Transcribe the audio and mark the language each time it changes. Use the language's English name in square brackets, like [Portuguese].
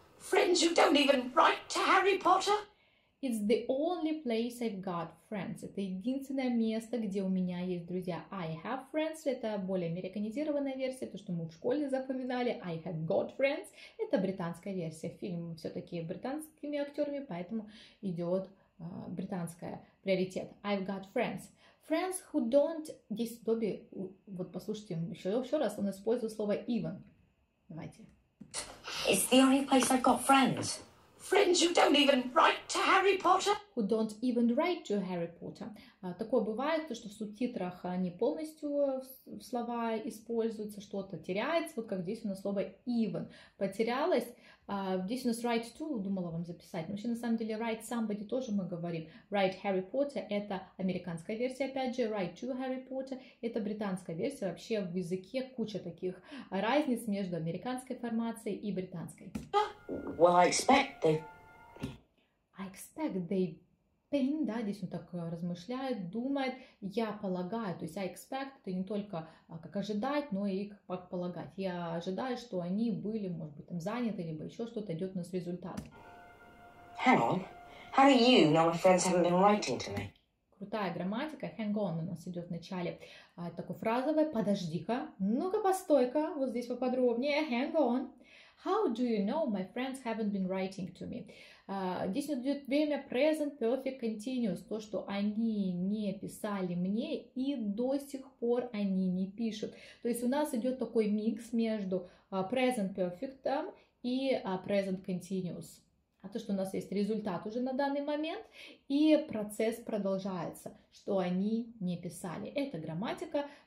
[English] Friends who don't even write to Harry Potter? It's the only place I've got friends. [Russian] Это единственное место, где у меня есть друзья. [English] I have friends. [Russian] Это более американизированная версия. То, что мы в школе запоминали. [English] I have got friends. [Russian] Это британская версия. Фильм все-таки британскими актерами, поэтому идет британская приоритет. [English] I've got friends. Friends who don't... [Russian] Здесь Добби... Вот послушайте еще раз. Он использует слово even. Давайте. [English] It's the only place I've got friends. Friends who don't even write to Harry Potter? Who don't even write to Harry Potter. [Russian] Такое бывает, то, что в субтитрах не полностью слова используются, что-то теряется, вот как здесь у нас слово even потерялось. Здесь у нас write to, думала вам записать. Но вообще, на самом деле, write somebody тоже мы говорим. Write Harry Potter – это американская версия, опять же. Write to Harry Potter – это британская версия. Вообще, в языке куча таких разниц между американской формацией и британской. [English] Well, I expect they... I expect they... [Russian] Pain, да, здесь он так размышляет, думает. Я полагаю, то есть I expect – это не только как ожидать, но и как полагать. Я ожидаю, что они были, может быть, там заняты, либо еще что-то, идет у нас результат. [English] Hang on. How do you know my friends haven't been writing to me? [Russian] Крутая грамматика. Hang on у нас идет в начале. Такое фразовое. Подожди-ка. Ну-ка, постой-ка. Вот здесь поподробнее. Hang on. [English] How do you know my friends haven't been writing to me? [Russian] Здесь идет время present perfect continuous. То, что они не писали мне и до сих пор они не пишут. То есть у нас идет такой микс между present perfect и present continuous. А то, что у нас есть результат уже на данный момент, и процесс продолжается, что они не писали. Это грамматика.